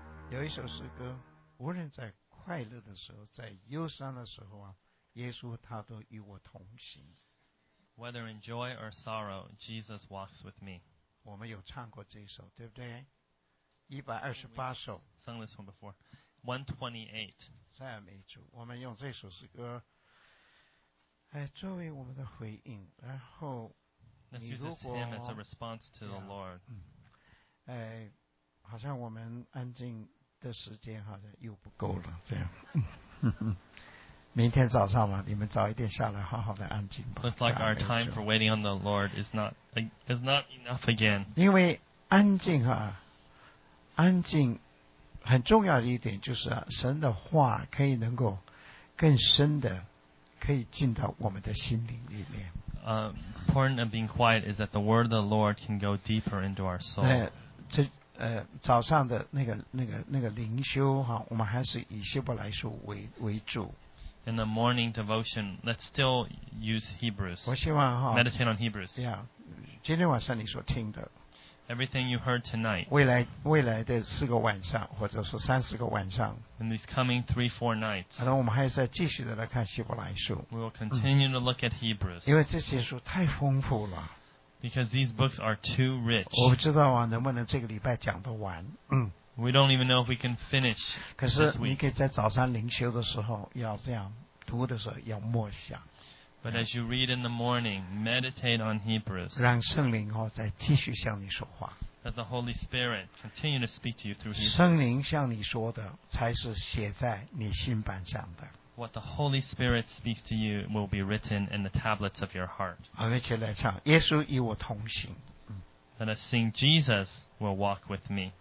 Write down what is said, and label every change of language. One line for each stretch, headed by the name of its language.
Chinese: 有一首诗歌，无论在快乐的时候，在忧伤的时候啊，耶稣他都与我同行。
English: Whether in joy or sorrow, Jesus walks with me.
Chinese: 我们有唱过这一首，对不对？ 128首。
English: We've sung this one before. 128.
Chinese: 赞美主，我们用这首诗歌，哎，作为我们的回应。然后，你如果
English: Let's use this hymn as a response to the Lord.
Chinese: 哎，好像我们安静的时间好像又不够了，这样。明天早上嘛，你们早一点下来，好好的安静吧。
English: It's like our time for waiting on the Lord is not enough again.
Chinese: 因为安静啊，安静很重要的一点就是、啊、神的话可以能够更深的可以进到我们的心灵里面。
English: Important of being quiet is that the word of the Lord can go deeper into our soul.
Chinese: 早上的那个灵修哈、啊，我们还是以希伯来书为主。
English: In the morning devotion, let's still use Hebrews.
Chinese: 我希望哈
English: meditate on Hebrews.
Chinese: Yeah, 今天晚上你所听的
English: everything you heard tonight.
Chinese: 未来的四个晚上，或者说三四个晚上
English: in these coming 3-4 nights.
Chinese: 然后我们还是要继续的来看希伯来书
English: We will continue to look at Hebrews.
Chinese: 因为这些书太丰富了
English: Because these books are too rich.
Chinese: 我不知道啊，能不能这个礼拜讲得完？嗯。
English: We don't even know if we can finish this week.
Chinese: 可是你可以在早上灵修的时候要这样读的时候要默想。
English: But as you read in the morning, meditate on Hebrews.
Chinese: 让圣灵哦再继续向你说话。
English: Let the Holy Spirit continue to speak to you through Hebrews.
Chinese: 圣灵向你说的才是写在你心板上的。
English: What the Holy Spirit speaks to you will be written in the tablets of your heart.
Chinese: 而且来唱，耶稣与我同行。
English: Let us sing, Jesus will walk with me.